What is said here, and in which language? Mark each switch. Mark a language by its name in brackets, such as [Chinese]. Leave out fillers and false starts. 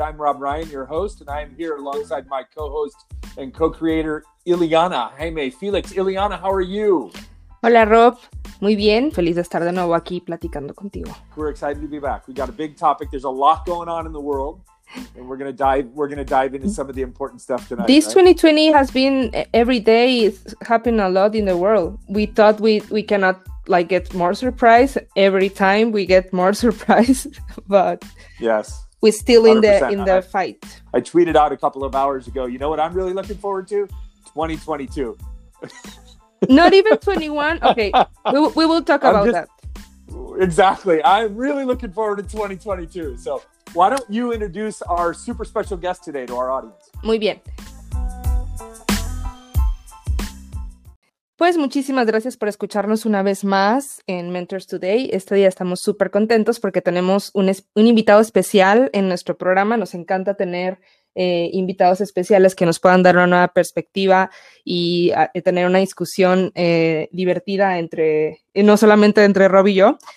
[English] I'm Rob Ryan, your host, and I'm here alongside my co-host and co-creator, Ileana Jaime Felix. Ileana, how are you? [Spanish] Hola, Rob. Muy bien. Feliz de estar de nuevo aquí platicando contigo. [English] We're excited to be back. We got a big topic. There's a lot going on in the world. And we're going to dive into some of the important stuff tonight. This, right? 2020 has been, every day is happening a lot in the world. We thought we cannot like get more surprise. Every time we get more surprise, but yes, we're still 100%. in the fight. I tweeted out a couple of hours ago, you know what I'm really looking forward to? 2022. Not even 21. Okay. We will talk about that. Exactly. I'm really looking forward to 2022. So why don't you introduce our super special guest today to our audience? [Spanish] Muy bien. Pues muchísimas gracias por escucharnos una vez más en Mentors Today. Este día estamos súper contentos porque tenemos un invitado especial en nuestro programa. Nos encanta tener invitados especiales que nos puedan dar una nueva perspectiva y tener una discusión divertida entre, no solamente entre Rob y yo.